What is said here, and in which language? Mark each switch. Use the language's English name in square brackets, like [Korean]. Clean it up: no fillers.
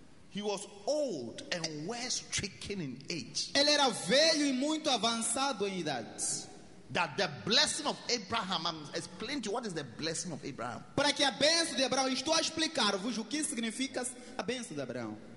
[English] He was old and well stricken in age. [Portuguese] Ele era velho e muito avançado em idade. [English] That the blessing of Abraham, I'm explaining to you what is the blessing of Abraham. [Portuguese] Para que a bênção de Abraão, estou a explicar-vos o que significa a bênção de Abraão.